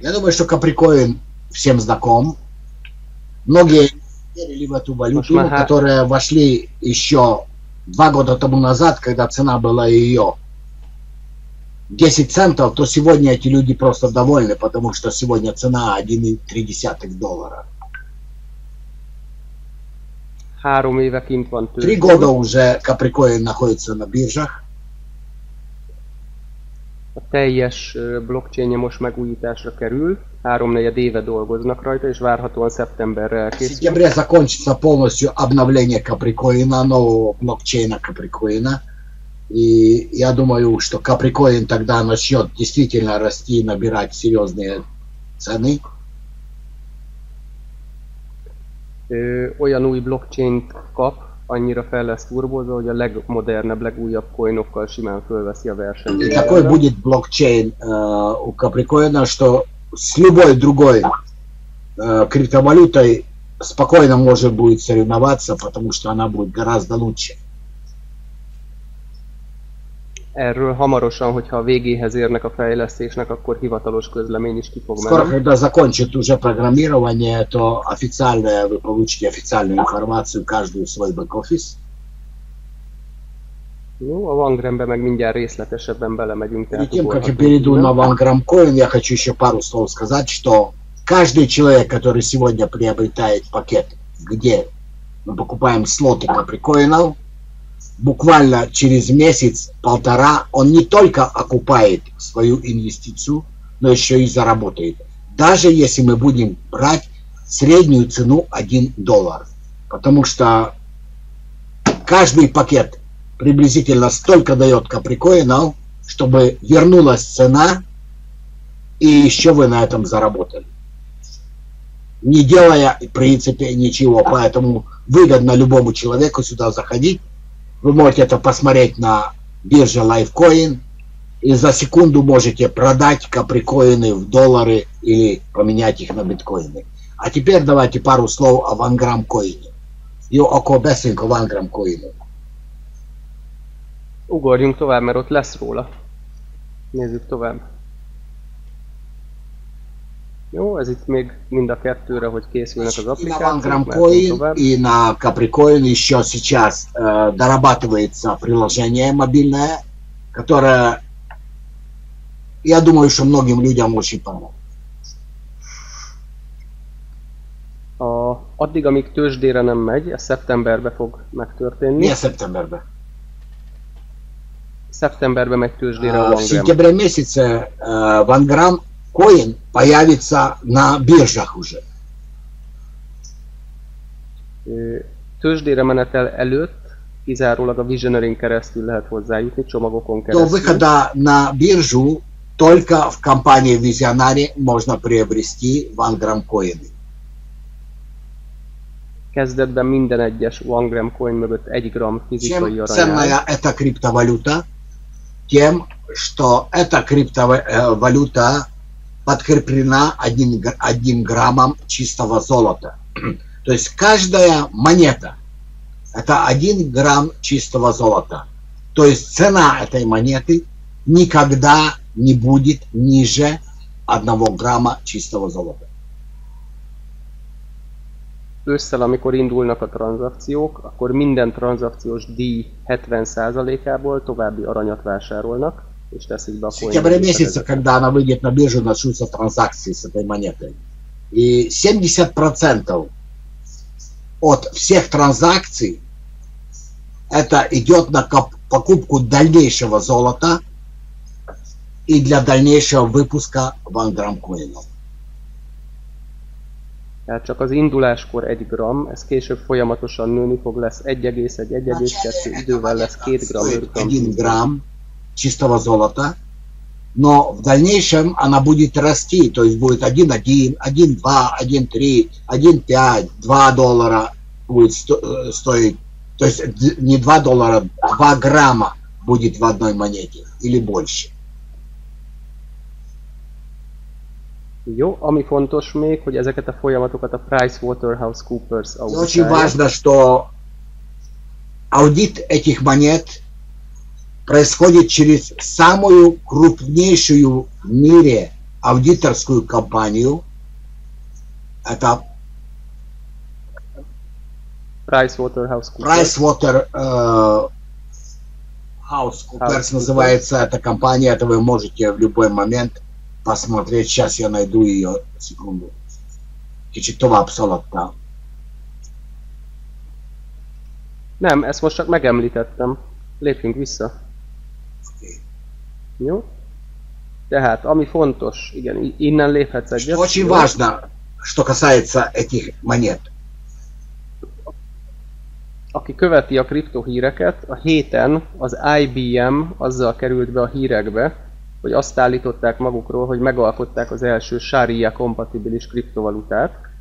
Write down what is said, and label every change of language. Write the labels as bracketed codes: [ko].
[ru] Я думаю, что каприкоин всем знаком. Многие верили в эту валюту, которые вошли еще два года тому назад, когда цена была ее 10 центов, то сегодня эти люди просто довольны, потому что сегодня цена 1,3 доллара. Три года уже каприкоин находится на биржах. [hu] A teljes blockchain-je most megújításra kerül, 3-4 éve dolgoznak rajta, és várhatóan szeptemberre elkészül. Szeptemberre [ru] закончится полностью обновление Каприкоина, нового блокчейна Каприкоина. И я думаю, что Каприкоин тогда начнет действительно расти, набирать серьезные цены. [hu] Olyan új blockchain-t kap, annyira fel lesz turbózva, hogy a legmodernebb, legújabb coinokkal simán fölveszi a versenyt. [ru] И такой будет блокчейн у Каприкоина, что с любой другой криптовалютой спокойно может будет соревноваться, потому что она будет гораздо лучше. [hu] Erről hamarosan, hogyha a végéhez érnek a fejlesztésnek, akkor hivatalos közlemény is ki fog menni. [ru] Скоро, когда закончит уже программирование, то официально вы получите официальную информацию каждую свой бэк-офис. Ну, а [hu] Wangram-be meg mindjárt részletesebben belemegyünk. [ru] Перед тем, как я перейду на Wangram Coin, я хочу еще пару слов сказать, что каждый человек, который сегодня приобретает пакет, где мы покупаем слоты каприкоинов, буквально через месяц-полтора он не только окупает свою инвестицию, но еще и заработает. Даже если мы будем брать среднюю цену 1 доллар. Потому что каждый пакет приблизительно столько дает каприкоинов, чтобы вернулась цена, и еще вы на этом заработали. Не делая, в принципе, ничего. Поэтому выгодно любому человеку сюда заходить. Вы можете это посмотреть на бирже Litecoin и за секунду можете продать каприкоины в доллары или поменять их на биткоины. А теперь давайте пару слов о Wangram Coin. [hu] Jó, akkor beszélünk a Wangram Coin. Ugorjunk tovább, mert ott lesz róla. Nézzük tovább. Jó, ez itt még mind a kettőre, hogy készülnek az applikációk. [ru] И на Wangram Coin, и на Capricoin еще сейчас дорабатывается приложение мобильное, которое, я думаю, что многим людям очень помогло. [hu] А, addig, amíg tőzsdére nem megy, ez szeptemberbe fog megtörténni. Milyen szeptemberbe? Szeptemberbe megy tőzsdére [ru] a Wangram. В сентябре месяце Wangram Coin появится на биржах уже. [hu] Тёждире менетел előtt kizárólag a Visionary-n keresztül lehet hozzájutni, csomagokon keresztül. [ru] До выхода на биржу только в компании Visionary можно приобрести Wangram Coin. [hu] Kezdetben minden egyes Wangram Coin mögött 1 gram fizikai arany. [ru] Чем ценная эта криптовалюта, тем, что эта криптовалюта подкреплена 1 граммом чистого золота. То есть каждая монета – это 1 грамм чистого золота. То есть цена этой монеты никогда не будет ниже 1 грамма чистого золота. [hu] Ősszel, amikor indulnak a tranzakciók, akkor minden tranzakciós díj 70%-ából további aranyat vásárolnak, és teszik be a coin. [ru] Сентябре месяце, когда она выйдет на биржу, начнутся транзакции с этой монетой. И 70% от всех транзакций это идет на покупку дальнейшего золота и для дальнейшего выпуска Wangram Coin-ов. [hu] Tehát csak az induláskor 1 gram, ez később folyamatosan nőni fog, lesz 1,1-1,2, idővel lesz 2 gram, 5 gram. [ru] 1 gram чистого золота, но в дальнейшем она будет расти, то есть будет 1,1, 1,2, 1,3, 1,5, 2 доллара будет стоить, то есть не 2 доллара, 2 грамма будет в одной монете или больше. [hu] Jó, ami fontos még, hogy ezeket a folyamatokat a PricewaterhouseCoopers auditálja. [ru] Очень важно, что аудит этих монет происходит через самую крупнейшую в мире аудиторскую компанию. Это PricewaterhouseCoopers. PricewaterhouseCoopers называется эта компания, это вы можете в любой момент посмотреть, сейчас я найду ее, секунду. Кичитова абсолютно. [hu] Нем, ez most csak megemlítettem. Lépjünk vissza. [en] Okay. [hu] Jó? Tehát, ami fontos, igen, innen léphetsz egyet. [ru] Очень важно, что касается этих монет. [hu] Aki követi a kriptohíreket, a héten az IBM azzal került be a hírekbe, hogy azt állították magukról, hogy megalkották az első Sharia kompatibilis kriptovalutát.